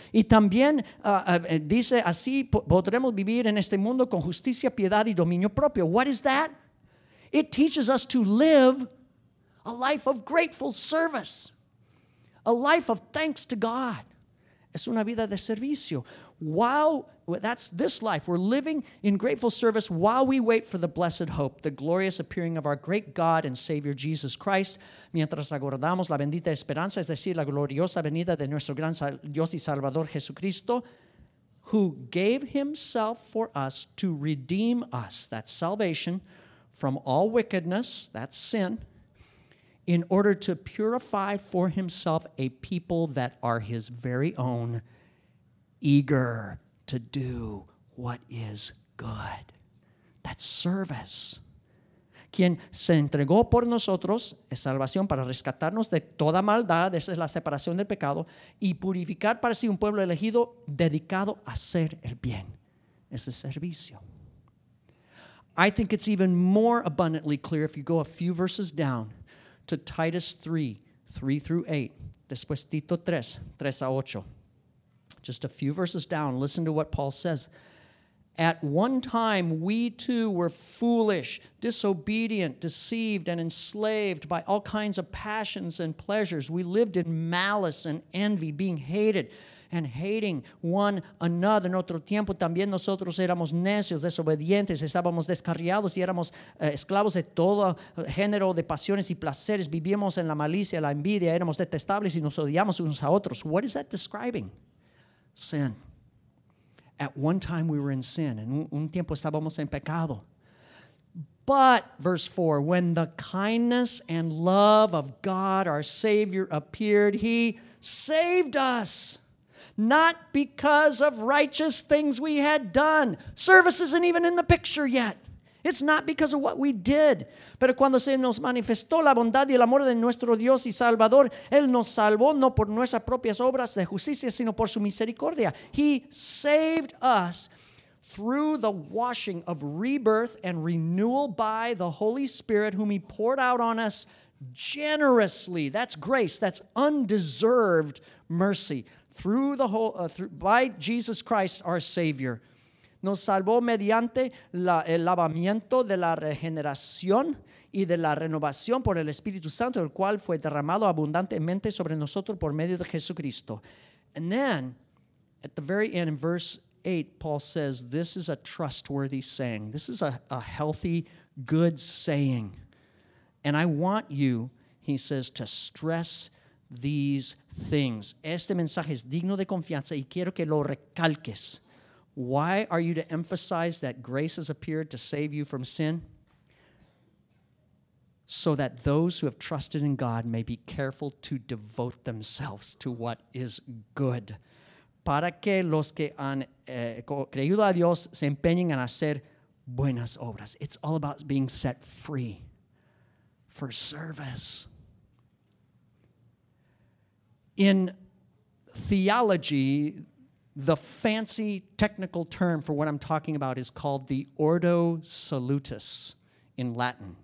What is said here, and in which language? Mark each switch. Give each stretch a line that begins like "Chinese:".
Spanish: Y también dice, así podremos vivir en este mundo con justicia, piedad y dominio propio.
English: What is that? It teaches us to live a life of grateful service, a life of thanks to God.
Spanish: Es una vida de servicio.
English: While that's this life, we're living in grateful service while we wait for the blessed hope, the glorious appearing of our great God and Savior Jesus Christ.
Spanish: Mientras aguardamos la bendita esperanza, es decir, la gloriosa venida de nuestro gran Dios y Salvador Jesucristo,
English: who gave himself for us to redeem us, that's salvation, from all wickedness, that's sin, in order to purify for himself a people that are his very own, eager to do what is good. That's service.
Spanish: Quien se entregó por nosotros es salvación para rescatarnos de toda maldad, esa es la separación del pecado, y purificar para sí un pueblo elegido dedicado a hacer el bien. Ese servicio.
English: I think it's even more abundantly clear if you go a few verses down to Titus 3:3 through 8.
Spanish: Después Tito 3:3-8.
English: Just a few verses down, listen to what Paul says. At one time, we too were foolish, disobedient, deceived, and enslaved by all kinds of passions and pleasures. We lived in malice and envy, being hated and hating one another.
Spanish: En otro tiempo, también nosotros éramos necios, desobedientes, estábamos descarriados y éramos esclavos de todo género de pasiones y placeres. Vivíamos en la malicia, la envidia, éramos detestables y nos odiamos unos a otros.
English: What is that describing? Sin. At one time we were in sin.
Spanish: En un tiempo estábamos en pecado.
English: But, verse 4, when the kindness and love of God our Savior appeared, he saved us. Not because of righteous things we had done. Service isn't even in the picture yet. It's not because of what we did.
Spanish: Pero cuando se nos manifestó la bondad y el amor de nuestro Dios y Salvador, Él nos salvó no por nuestras propias obras de justicia, sino por su misericordia.
English: He saved us through the washing of rebirth and renewal by the Holy Spirit, whom He poured out on us generously. That's grace. That's undeserved mercy. By Jesus Christ, our Savior.
Spanish: Nos salvó mediante el lavamiento de la regeneración y de la renovación por el Espíritu Santo, el cual fue derramado abundantemente sobre nosotros por medio de Jesucristo.
English: And then, at the very end, in verse 8, Paul says, this is a trustworthy saying. This is a healthy, good saying. And I want you, he says, to stress these things.
Spanish: Este mensaje es digno de confianza y quiero que lo recalques.
English: Why are you to emphasize that grace has appeared to save you from sin? So that those who have trusted in God may be careful to devote themselves to what is good.
Spanish: Para que los que han creído a Dios se empeñen en hacer buenas obras.
English: It's all about being set free for service. In theology, the fancy technical term for what I'm talking about is called the Ordo Salutis in Latin.